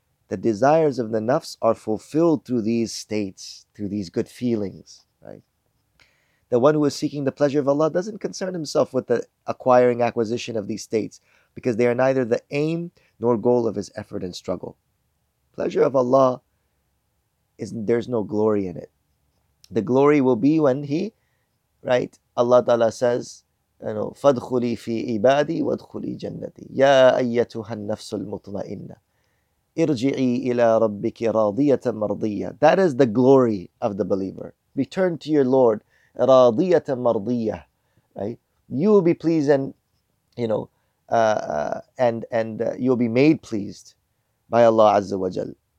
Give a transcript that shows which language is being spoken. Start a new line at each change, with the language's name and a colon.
English: The desires of the nafs are fulfilled through these states, through these good feelings, right? The one who is seeking the pleasure of Allah doesn't concern himself with the acquiring acquisition of these states, because they are neither the aim nor goal of his effort and struggle. Pleasure of Allah, there's no glory in it. The glory will be when he, right, Allah Ta'ala says, you know,
Arabic: فَادْخُلِي فِي عِبَادِي وَادْخُلِي جَنَّتِي يَا أَيَّتُهَا النَّفْسُ الْمُطْمَئِنَّةِ ارْجِعِي إِلَىٰ رَبِّكِ رَاضِيَةً مَرْضِيَّةً.
English: That is the glory of the believer. Return to your Lord,
Arabic: رَاضِيَةً مَرْضِيَّةً,
English: right? You will be pleased and, you know, and you'll be made pleased by Allah Azza wa Jal.